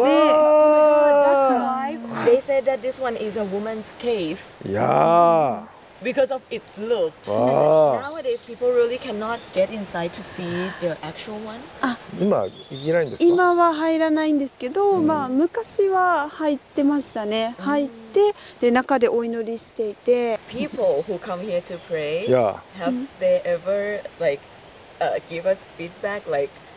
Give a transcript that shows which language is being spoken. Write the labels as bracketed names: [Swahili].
[English] oh、that's why they said that this one is a woman's cave. Yeah. Because of its look. Wow. Nowadays, people really cannot get inside to see the actual one. あ、 [Japanese] 今行けないんですか？今は入らないんですけど、まあ昔は入ってましたね。入って、で中でお祈りしていて。 [English] People who come here to pray, yeah. Have they ever like, give us feedback like?